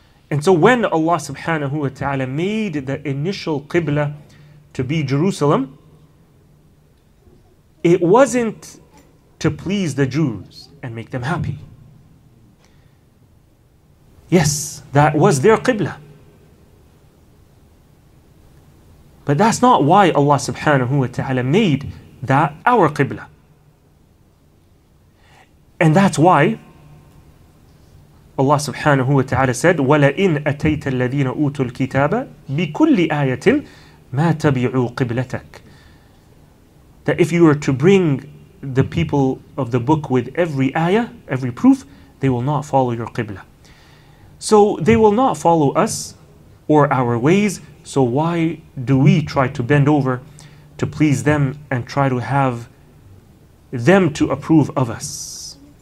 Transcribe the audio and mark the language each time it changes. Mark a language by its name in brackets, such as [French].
[English] And so when Allah subhanahu wa ta'ala made the initial Qibla to be Jerusalem, it wasn't to please the Jews and make them happy. Yes, that was their Qibla. But that's not why Allah subhanahu wa ta'ala made that our Qibla. And that's why Allah subhanahu wa ta'ala said, [Arabic] وَلَئِنْ أَتَيْتَ الَّذِينَ أُوتُوا الْكِتَابَ بِكُلِّ آيَةٍ مَا تَبِعُوا قِبْلَتَكَ. [English] That if you were to bring the people of the book with every ayah, every proof, they will not follow your Qibla. So they will not follow us or our ways. So why do we try to bend over to please them and try to have them to approve of us?